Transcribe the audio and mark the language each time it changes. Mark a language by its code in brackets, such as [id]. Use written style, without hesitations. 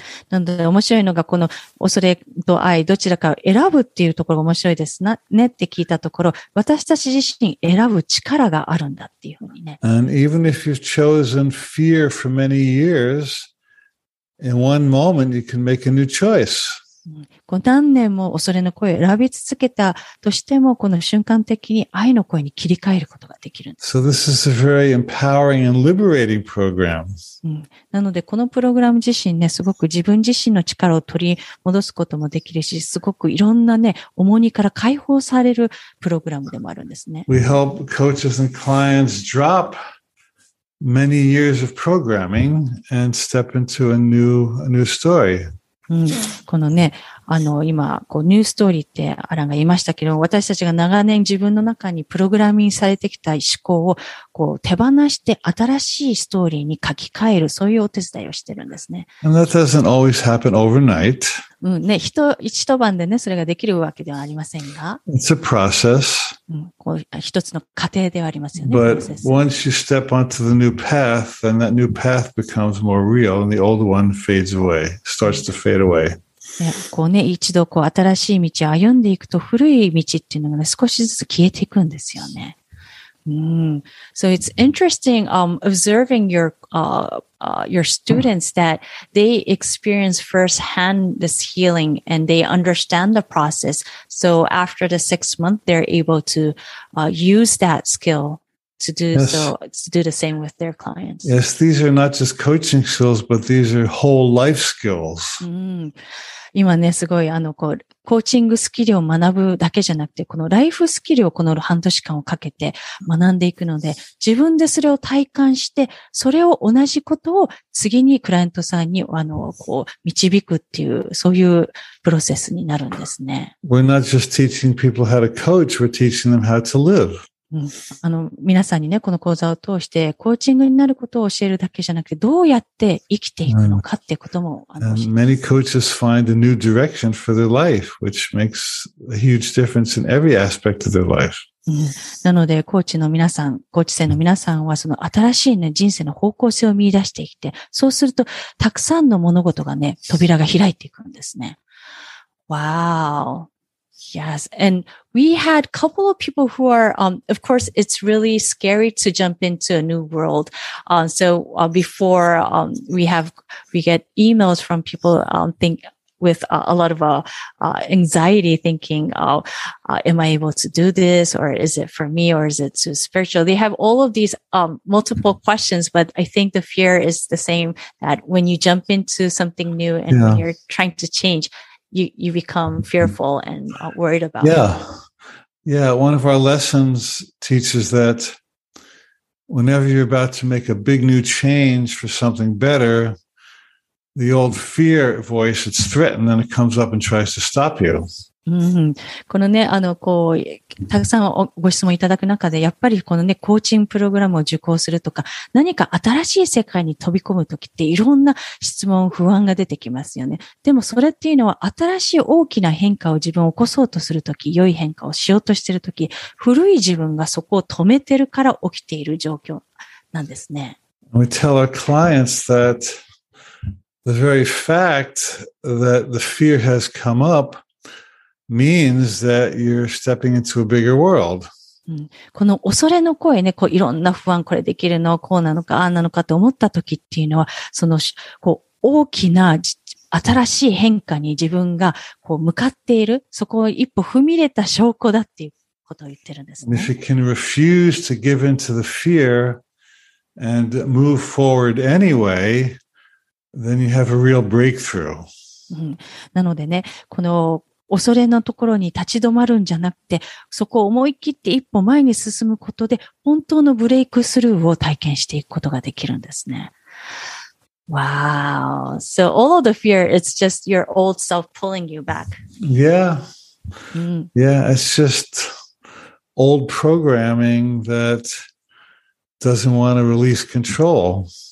[ja] なので面白いのがこの恐れと愛どちらかを選ぶっていうところが面白いですねって聞いたところ、私たち自身選ぶ力があるんだっていうふうにね。 [en] And even if you've chosen fear for many years, in one moment you can make a new choice. [ja] 何年も恐れの声を選び続けたとしても、この瞬間的に愛の声に切り替えることができるんです。 [en] So this is a very empowering and liberating program. [ja] なので、このプログラム自身ね、すごく自分自身の力を取り戻すこともできるし、すごくいろんなね、重荷から解放されるプログラムでもあるんですね。 [en] We help coaches and clients drop many years of programming and step into a new story. [ja] このね、今、こう、ニューストーリーってアランが言いましたけど、私たちが長年自分の中にプログラミングされてきた思考を、こう、手放して新しいストーリーに書き換える、そういうお手伝いをしてるんですね。 [en] And that doesn't always happen overnight. [ja] ね、一晩でね、それができるわけではありませんが。 [en] It's a process. [ja] こう、一つの過程ではありますよね。 [en] But once you step onto the new path, then that new path becomes more real, and the old one fades away, starts to fade away. [ja] ね、こうね、一度こう新しい道を歩んでいくと古い道っていうのがね、少しずつ消えていくんですよね。 [en] So it's interesting, observing your students that they experience firsthand this healing and they understand the process. So after the 6 months, they're able to, use that skill to do so, to do the same with their clients. Yes, these are not just coaching skills, but these are whole life skills. [ja] 今ね、すごい、コーチングスキルを学ぶだけじゃなくて、このライフスキルをこの半年間をかけて学んでいくので、自分でそれを体感して、それを同じことを次にクライアントさんに、こう、導くっていう、そういうプロセスになるんですね。 [en] We're not just teaching people how to coach, we're teaching them how to live. [ja] 皆さんにね、この講座を通して、コーチングになることを教えるだけじゃなくて、どうやって生きていくのかってことも、 [en] Many coaches find a new direction for their life, which makes a huge difference in every aspect of their life. [ja] なので、コーチの皆さん、コーチ生の皆さんは、その新しいね、人生の方向性を見出していって、そうすると、たくさんの物事がね、扉が開いていくんですね。 [en] Wow. Yes. And we had a couple of people who are, of course, it's really scary to jump into a new world. So before we get emails from people, with a lot of anxiety thinking, am I able to do this? Or is it for me? Or is it too spiritual? They have all of these multiple questions, but I think the fear is the same that when you jump into something new and when you're trying to change, you become fearful and worried about it. Yeah. One of our lessons teaches that whenever you're about to make a big new change for something better, the old fear voice, it's threatened, and it comes up and tries to stop you. [ja] うん、このね、たくさんご質問いただく中で、やっぱりこのね、コーチングプログラムを受講するとか、何か新しい世界に飛び込むときって、いろんな質問、不安が出てきますよね。でもそれっていうのは、新しい大きな変化を自分を起こそうとするとき、良い変化をしようとしているとき、古い自分がそこを止めてるから起きている状況なんですね。 [en] We tell our clients that the very fact that the fear has come up,means that you're stepping into a bigger world. [ja] この恐れの声ね、こういろんな不安、これできるの、こうなのか、ああなのかと思った時っていうのは、そのこう大きな新しい変化に自分がこう向かっている、そこを一歩踏み入れた証拠だっていうことを言ってるんですね。 [en] If you can refuse to give in to the fear and move forward anyway, then you have a real breakthrough. [ja] なのでね、この恐れのところに立ち止まるんじゃなくて、そこを思い切って一歩前に進むことで、本当のブレイクスルーを体験していくことができるんですね。 [en] Wow. So all of the fear, it's just your old self pulling you back. Yeah. Yeah, it's just old programming that doesn't want to release control.